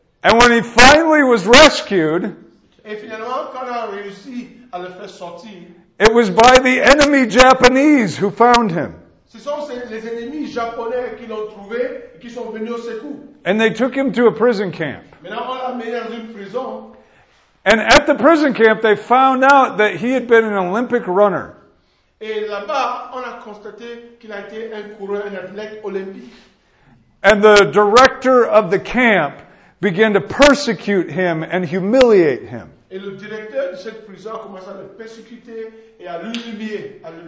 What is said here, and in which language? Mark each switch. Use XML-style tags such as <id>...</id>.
<en>And when he finally was rescued,</en> <fr>et finalement, quand on a réussi à le faire sortir,</fr> <en>it was by the enemy Japanese who found him.</en> <fr>Ce sont les ennemis japonais qui l'ont trouvé et qui sont venus au secours.</fr> <en>And they took him to a prison camp.</en> <fr>Maintenant, on l'a mis dans une prison.</fr> <en>And at the prison camp, they found out that he had been an Olympic runner.</en> <fr>Et là-bas, on a constaté qu'il a été un coureur, un athlète olympique.</fr> <en>And the director of the camp began to persecute him and humiliate him.</en> <fr>Et le directeur de cette prison a commencé à le persécuter et à l'humilier,</fr>